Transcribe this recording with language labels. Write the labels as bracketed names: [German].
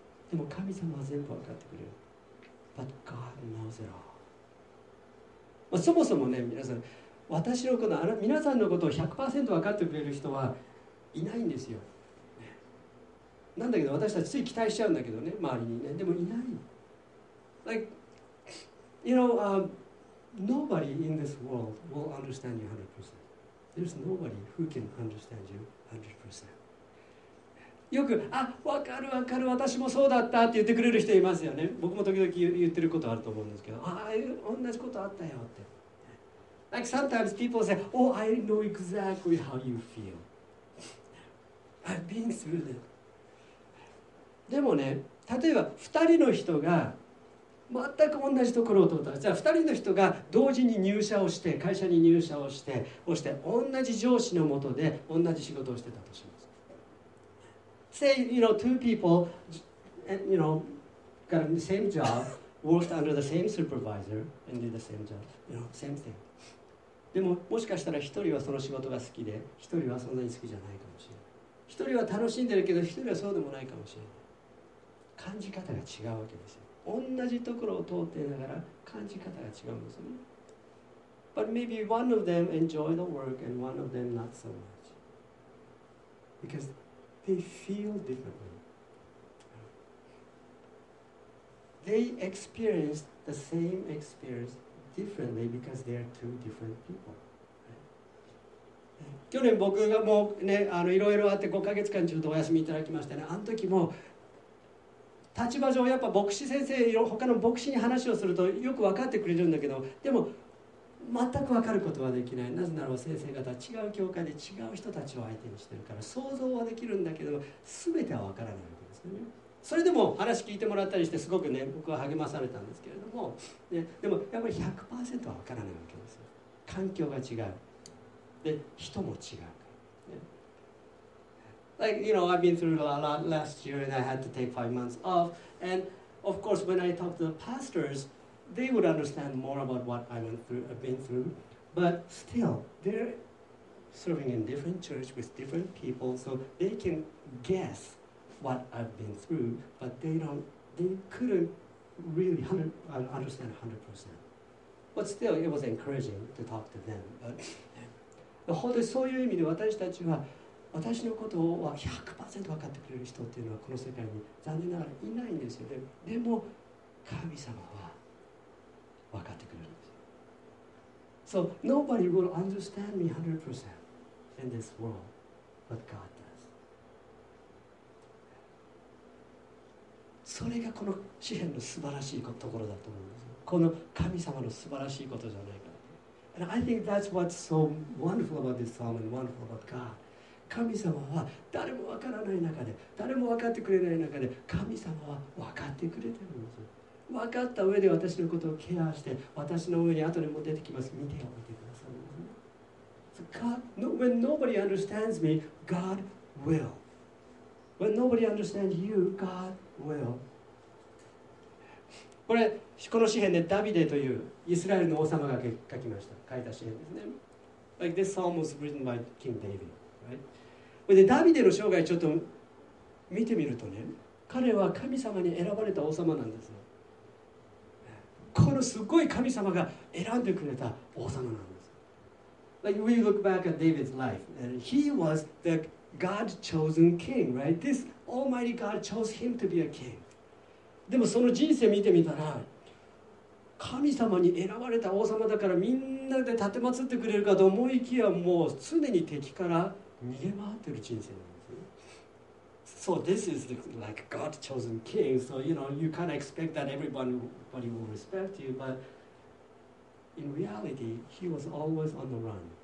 [Japanese] でも神様は全部分かってくれる。 [English] But God knows it all. [Japanese] まあ、そもそもね、皆さん、私のこと、皆さんのことを 100% 分かってくれる人はいないんですよ。なんだけど、私たちつい期待しちゃうんだけどね、周りにね。でもいない。 [English] Like, you know,、nobody in this world will understand you 100%. There's nobody who can understand you 100%. [Japanese] よく、あ、わかるわかる、私もそうだったって言ってくれる人いますよね。僕も時々言ってることあると思うんですけど、ああ、同じことあったよって。 [English] Like sometimes people say, oh, I know exactly how you feel. I've been through that. [Japanese] でもね、例えば2人の人が全く同じところを通ったら、じゃあ2人の人が同時に入社をして、会社に入社をして、そして同じ上司のもとで同じ仕事をしてたとします。 [English] Say, you know, two people, you know, got the same job, worked under the same supervisor, and did the same job, you know, same thing. [Japanese] でも、もしかしたら一人はその仕事が好きで、一人はそんなに好きじゃないかもしれない。一人は楽しんでるけど、一人はそうでもないかもしれない。感じ方が違うわけですよ。同じところを通っていながら、感じ方が違うんですよね。 [English] But maybe one of them enjoy the work, and one of them not so much. Because... They feel differently. They experience the same experience differently because they are two different people. [Japanese] 去年僕がもうね、いろいろあって5ヶ月間ちょっとお休みいただきましたね。あの時も立場上やっぱ牧師先生、他の牧師に話をするとよく分かってくれるんだけど、でも全く分かることはできない。なぜならば先生方は違う教会で違う人たちを相手にしてるから、想像はできるんだけど全ては分からないわけですよね。それでも話聞いてもらったりしてすごくね、僕は励まされたんですけれども、ね、でもやっぱり 100% は分からないわけですよ。環境が違う、で人も違う、ね、 [English] Like, you know, I've been through a lot last year and I had to take 5 months off and of course when I talk to the pastorsThey would understand more about what I went through, I've been through, but still, they're serving in different church with different people, so they can guess what I've been through, but they don't, they couldn't really understand 100%. But still, it was encouraging to talk to them. [Japanese] But, 本当にそういう意味で私たちは、私のことは 100% 分かってくれる人っていうのはこの世界に残念ながらいないんですよね。でも神様は分かってくれるんです。 [English] So nobody will understand me 100% in this world, but God does. [Japanese] それがこの詩篇の素晴らしいところだと思うんですよ。この神様の素晴らしいことじゃないか。 [English] And I think that's what's so wonderful about this psalm and wonderful about God. [Japanese] 神様は誰も分からない中で、誰も分かってくれない中で、神様は分かってくれてるんですよ。分かった上で私のことをケアして、私の上に後でも出てきます。見ておいてください。 [English] So God, no, when nobody understands me, God will. When nobody understands you, God will. [Japanese] これ、この詩篇でダビデというイスラエルの王様が書きました。書いた詩篇ですね。 [English] Like this psalm was written by King David, right? [Japanese] で、ダビデの生涯ちょっと見てみるとね、彼は神様に選ばれた王様なんですよ。このすごい神様が選んでくれた王様なんです。 [English] Like we look back at David's life, and he was the God chosen king, right? This Almighty God chose him to be a king. [Japanese] でもその人生見てみたら、神様に選ばれた王様だからみんなで奉ってくれるかと思いきや、もう常に敵から逃げ回ってる人生なんですね。 [English] So this is like God chosen king. So you know, you kind of expect that everybody will respect you, but in reality, he was always on the run.